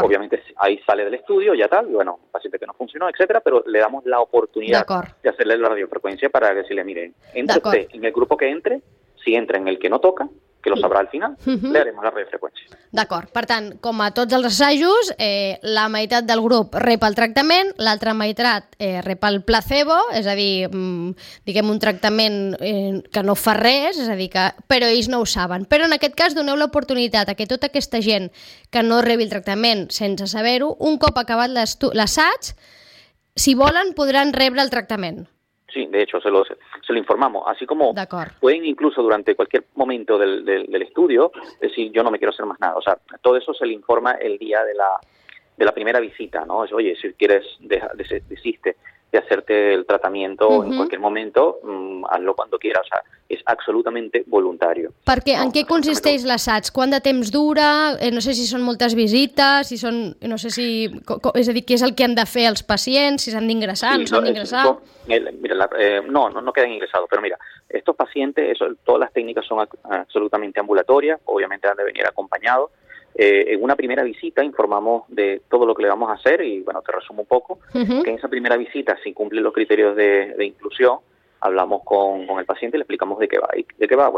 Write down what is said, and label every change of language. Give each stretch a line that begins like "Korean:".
Spanish: Obviamente ahí sale del estudio, ya tal, y bueno, paciente que no funcionó, etcétera, pero le damos la oportunidad de hacerle la radiofrecuencia para decirle, mire, entre usted en el grupo que entre, si entra en el que no toca, que lo sabrà al final, Le haremos la radiofreqüència.
Catalan: D'acord. Per tant, com a tots els assajos, la meitat del grup rep el tractament, l'altra meitat rep el placebo, és a dir, diguem un tractament que no fa res, és a dir, però ells no ho saben. Però en aquest cas doneu l'oportunitat a que tota aquesta gent que no rebi el tractament sense saber-ho, un cop acabat l'assaig, si volen, podran rebre el tractament.
Spanish: Sí, de hecho, se lo informamos. Así como pueden incluso durante cualquier momento del estudio decir, yo no me quiero hacer más nada. O sea, todo eso se le informa el día de la primera visita, ¿no? Es, oye, si quieres, desiste de hacerte el tratamiento en cualquier momento, hazlo cuando quieras. O sea, es absolutamente voluntario.
Catalan: Perquè en què consisteix l'assaig? Quant de temps dura? No sé si són moltes visites, si són... No sé si... És a dir, què és el que han de fer els pacients, si s'han d'ingressar, sí, s'han d'ingressar... No queden ingressats, però mira,
Spanish: estos pacientes, todas las técnicas son absolutamente ambulatorias, obviamente han de venir acompañados. En una primera visita informamos de todo lo que le vamos a hacer y, bueno, te resumo un poco, que en esa primera visita, si cumplen los criterios de inclusión, hablamos con el paciente y le explicamos de qué va. ¿Y de qué va?